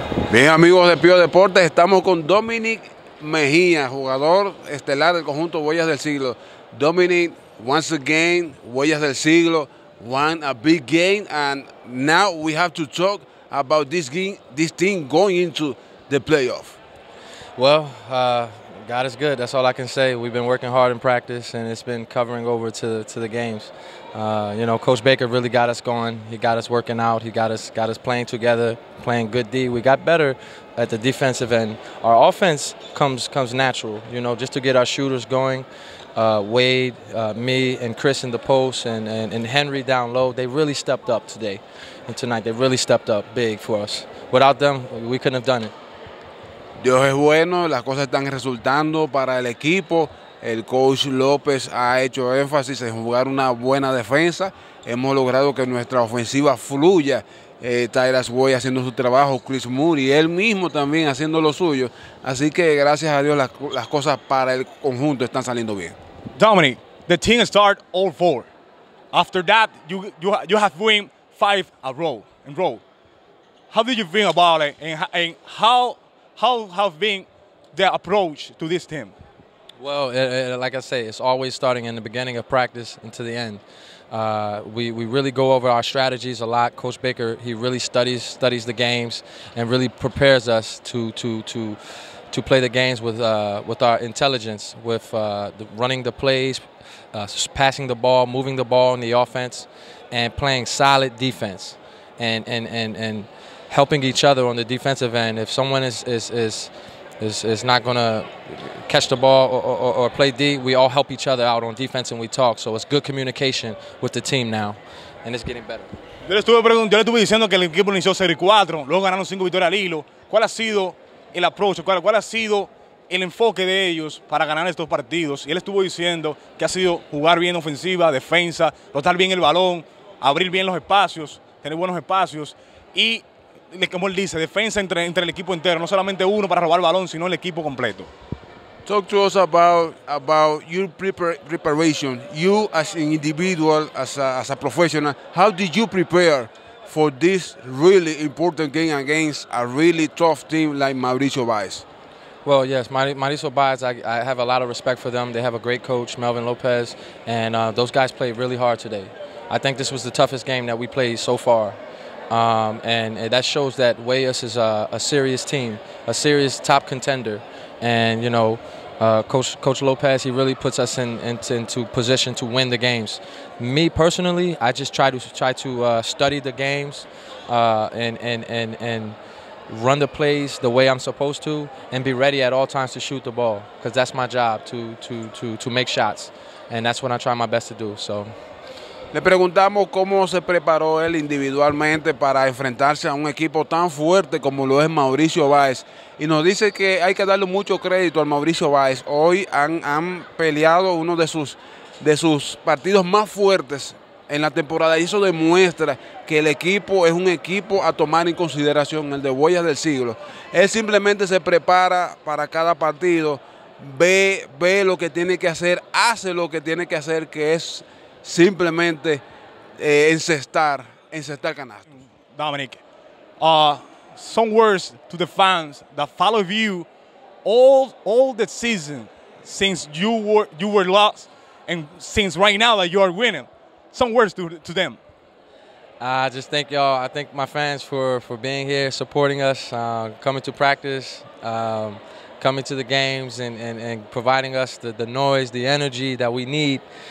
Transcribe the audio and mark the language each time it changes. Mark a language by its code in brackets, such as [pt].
[es] Bien, amigos de Pío Deportes, estamos con Dominic Mejía, jugador estelar del conjunto Huellas del Siglo. [en] Dominic, once again, Huellas del Siglo won a big game, and now we have to talk about this game, this team going into the playoff. Well, God is good. That's all I can say. We've been working hard in practice, and it's been covering over to the games. You know, Coach Baker really got us going. He got us working out. He got us playing together, playing good D. We got better at the defensive end. Our offense comes natural, you know, just to get our shooters going. Wade, me, and Chris in the post, and Henry down low, they really stepped up today and tonight. They really stepped up big for us. Without them, we couldn't have done it. [es] Dios es bueno, las cosas están resultando para el equipo. El coach López ha hecho énfasis en jugar una buena defensa. Hemos logrado que nuestra ofensiva fluya. Tyler Boyd haciendo su trabajo, Chris Moore y él mismo también haciendo lo suyo. Así que gracias a Dios las cosas para el conjunto están saliendo bien. [en] Dominic, the team start all four. After that, you have win five in a row. How did you think about it, and how have been the approach to this team? Well, like I say, it's always starting in the beginning of practice and to the end. We really go over our strategies a lot. Coach Baker, he really studies the games and really prepares us to play the games with our intelligence, with running the plays, passing the ball, moving the ball in the offense, and playing solid defense and helping each other on the defensive end. If someone is not going to catch the ball or play D, we all help each other out on defense and we talk. So it's good communication with the team now, and it's getting better. [es] Yo le estuve preguntando, yo le estuve diciendo que el equipo inició 0-4, luego ganaron 5 victorias al hilo. ¿Cuál ha sido el approach, cuál ha sido el enfoque de ellos para ganar estos partidos? Y él estuvo diciendo que ha sido jugar bien ofensiva, defensa, rotar bien el balón, abrir bien los espacios, tener buenos espacios y, como él dice, defensa entre el equipo entero, no solamente uno para robar el balón, sino el equipo completo. [en] Talk to us about your preparation. You as an individual, as a professional, how did you prepare for this really important game against a really tough team like Mauricio Báez? Well, yes, Mauricio Báez, I have a lot of respect for them. They have a great coach, Melvin Lopez, and those guys played really hard today. I think this was the toughest game that we played so far. And that shows that Huellas is a serious team, a serious top contender. And, you know, Coach Lopez, he really puts us into position to win the games. Me personally, I just try to study the games and run the plays the way I'm supposed to and be ready at all times to shoot the ball, because that's my job, to make shots. And that's what I try my best to do, so. [es] Le preguntamos cómo se preparó él individualmente para enfrentarse a un equipo tan fuerte como lo es Mauricio Báez. Y nos dice que hay que darle mucho crédito al Mauricio Báez. Hoy han peleado uno de sus partidos más fuertes en la temporada. Y eso demuestra que el equipo es un equipo a tomar en consideración, el de Huellas del Siglo. Él simplemente se prepara para cada partido, ve lo que tiene que hacer, hace lo que tiene que hacer, que es simplemente encestar canastos. [en] Dominic, some words to the fans that follow you all the season since you were lost, and since right now that you are winning. Some words to them. I just thank y'all. I thank my fans for being here, supporting us, coming to practice, coming to the games, and providing us the noise, the energy that we need.